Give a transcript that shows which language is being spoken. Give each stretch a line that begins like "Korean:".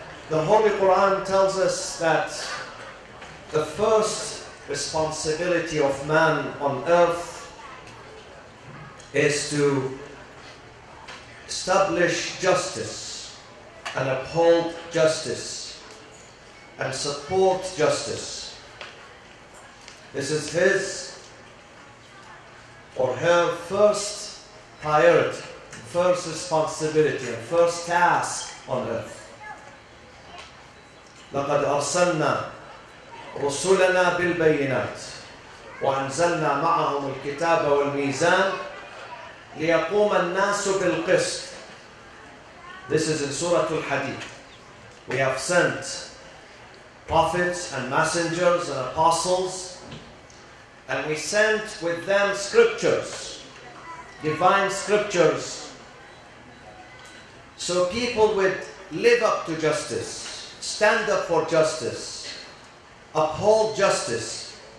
English: The Holy Quran tells us that the first responsibility of man on earth is to establish justice and uphold justice and support justice. This is his or her first priority, first responsibility, and first task on earth.
Arabic: لقد أرسلنا رسلنا بالبينات وأنزلنا معهم الكتاب والميزان ليقوم الناس بالقسط.
English: This is in Surah Al-Hadid. We have sent prophets and messengers and apostles, and we sent with them scriptures, divine scriptures, so people would live up to justice, stand up for justice, uphold justice.